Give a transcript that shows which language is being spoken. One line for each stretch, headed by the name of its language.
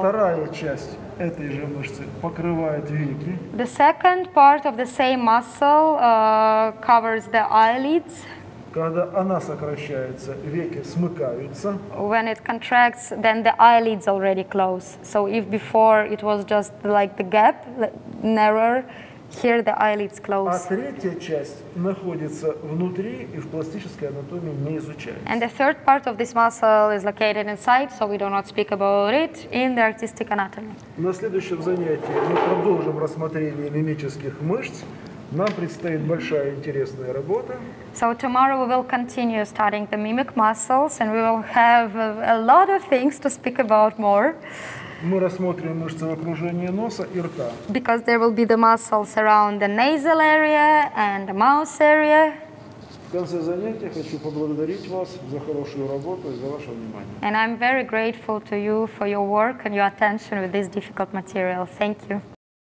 Russian: Вторая часть этой же мышцы покрывает веки.
English: The second part of the same muscle covers the eyelids.
Russian: Когда она сокращается, веки смыкаются.
English: When it contracts, then the eyelids already close. So if before it was just like the gap, like narrower, here the eyelids close.
Russian: А третья часть находится внутри и в пластической анатомии не изучается.
English: And the third part of this muscle is located inside, so we do not speak about it in the artistic anatomy.
Russian: На следующем занятии мы продолжим рассмотрение мимических мышц. Нам предстоит большая интересная работа.
English: So tomorrow we will continue studying the mimic muscles, and we will have a lot of things to speak about more.
Russian: Мы рассмотрим мышцы в окружении носа и рта.
English: Because there will be the muscles around the nasal area and the mouth area.
Russian: В конце занятия хочу поблагодарить вас за хорошую работу и за ваше внимание.
English: And I'm very grateful to you for your work and your attention with this difficult material. Thank you.